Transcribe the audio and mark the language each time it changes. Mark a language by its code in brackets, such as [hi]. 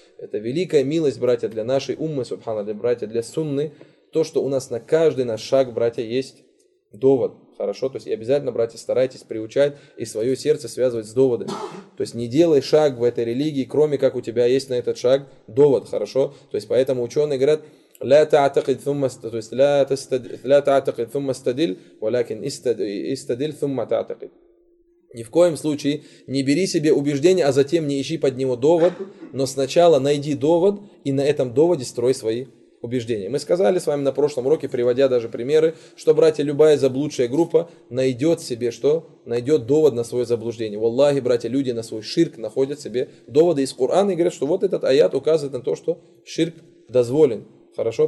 [ru] Это великая милость, братья, для нашей уммы, субханаллах, братья, для сунны. То, что у нас на каждый наш шаг, братья, есть довод. Хорошо, то есть и обязательно, братья, старайтесь приучать и свое сердце связывать с доводами. То есть не делай шаг в этой религии, кроме как у тебя есть на этот шаг довод, хорошо? То есть поэтому ученые говорят, [ar] لا تعتقد ثم [ru] то есть [ar] لا تعتقد ثم استدل ولكن استدل ثم تعتقد. [ru] Ни в коем случае не бери себе убеждение, а затем не ищи под него довод, но сначала найди довод и на этом доводе строй свои убеждения. Мы сказали с вами на прошлом уроке, приводя даже примеры, что, братья, любая заблудшая группа найдет себе что? Найдет довод на свое заблуждение. Валлахи, братья, люди на свой ширк находят себе доводы из Корана и говорят, что вот этот аят указывает на то, что ширк дозволен. Хорошо?